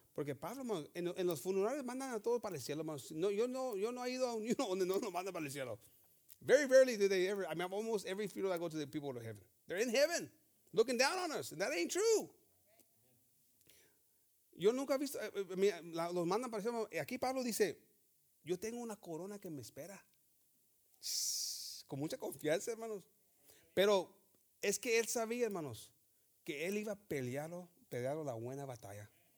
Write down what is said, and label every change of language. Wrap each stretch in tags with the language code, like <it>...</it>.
<es>Porque Pablo, hermanos, en los funerales mandan a todos para el cielo, hermanos. No, yo no he ido a un funeral donde no nos mandan para el cielo.</es> <en>Very rarely do they ever, I mean, almost every funeral I go to, the people go to heaven. They're in heaven, looking down on us. And that ain't true.</en> <es>Yo nunca he visto, los mandan para el cielo. Aquí Pablo dice, yo tengo una corona que me espera. Con mucha confianza, hermanos. Pero es que él sabía, hermanos, que él iba a pelear la buena batalla.</es>